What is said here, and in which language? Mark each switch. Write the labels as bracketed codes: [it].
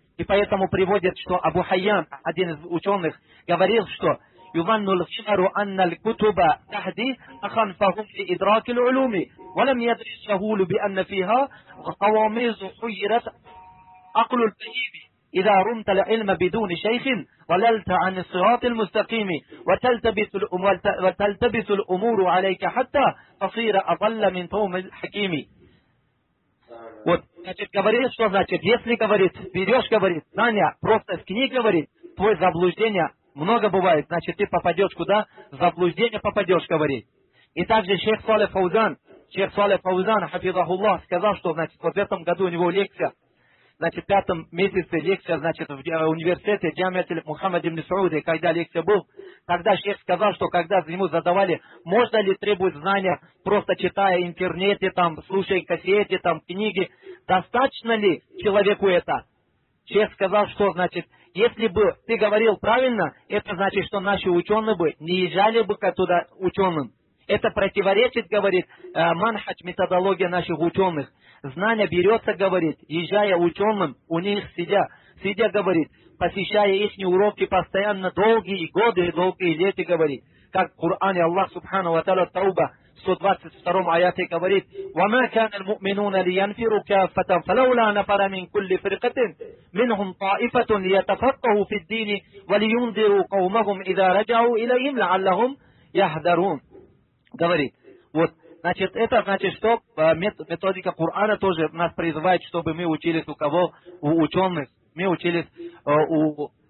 [ru] И поэтому приводит, что Абу Хайян, один из ученых, говорил, что [ar] «Юванну лхшару анна лкутуба тахди ахан фахум фи идраки лулуми, валам ядри шагулю би анна фиха хавамизу хуйрат аклу лтаиби». إذا رمت العلم بدون شيخ وللت عن الصراط المستقيم وتلتبس الأمور عليك حتى تصير أضل من توم الحكيم. [ru] Вот, значит, говорит, что значит, если говорит, берешь, говорит, знания просто из книг, говорит, твое заблуждение много бывает, значит, ты попадешь куда? В заблуждение попадешь, говорит. И также шейх Салих Фаузан, хафизахуллах, сказал, что значит, вот в этом году у него лекция. Значит, в пятом месяце лекция, значит, в университете Джамиат Мухаммад ибн Сауди, когда лекция был, тогда шейх сказал, что когда ему задавали, можно ли требовать знания, просто читая в интернете, там, слушая кассеты, там, книги, достаточно ли человеку это? Шейх сказал, что, значит, если бы ты говорил правильно, это значит, что наши ученые бы не езжали бы туда ученым. Это противоречит, говорит, манхадж, методология наших ученых. Знание берется, говорит, езжая ученым, у них сидя, говорит, посещая их уроки постоянно, долгие годы, говорит. Как в Коране Аллах, Субхану ва Тааля, Тауба, 122-м аяте говорит, [ar] وَمَا كَانَ الْمُؤْمِنُونَ لِيَنْفِرُوا كَافَّةً فَلَوْلَا نَفَرَ مِنْ كُلِّ فِرْقَةٍ مِنْهُمْ طَائِفَةٌ لِيَتَفَقَّهُوا فِي الدِّينِ وَلِيُنْذِرُوا قَوْمَهُمْ إِذَا رَجَعُوا إِلَيْهِمْ لَعَلَّهُمْ يَحْذَرُونَ. [ru] Говорит, вот, значит, это значит, что методика Корана тоже нас призывает, чтобы мы учились у кого? У ученых. Мы учились у